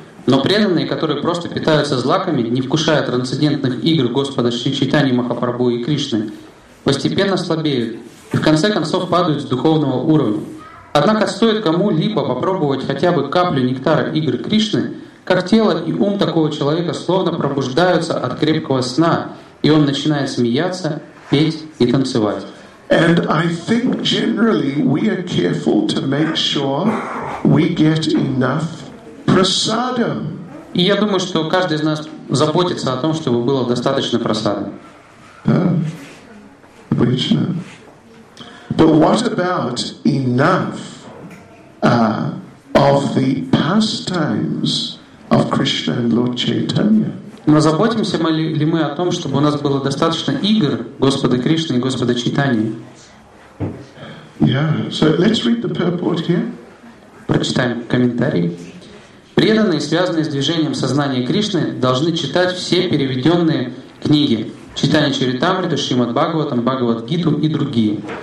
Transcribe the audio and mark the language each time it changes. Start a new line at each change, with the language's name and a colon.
Russian: Но преданные, которые просто питаются злаками, не вкушая трансцендентных игр Господа Шри Чайтаньи Махапрабху и Кришны, постепенно слабеют и в конце концов падают с духовного уровня. Однако стоит кому-либо попробовать хотя бы каплю нектара игр Кришны, как тело и ум такого человека словно пробуждаются от крепкого сна, и он начинает смеяться, петь и танцевать.
English: And I think generally we are careful to make sure we get enough prasadam.
Russian: И я думаю, что каждый из нас заботится о том, чтобы было достаточно прасады. Обычно.
English: But what about enough of the pastimes of Krishna and Lord Chaitanya?
Russian: Но заботимся ли мы о том, чтобы у нас было достаточно игр Господа Кришны и Господа Чайтаньи?
English: Yeah. So let's read the purport here.
Russian: Прочитаем комментарий. Преданные, связанные с движением сознания Кришны, должны читать все переведенные книги Чайтанья Чаритамриту, Шримад Бхагаватам, Бхагавад Гиту и другие.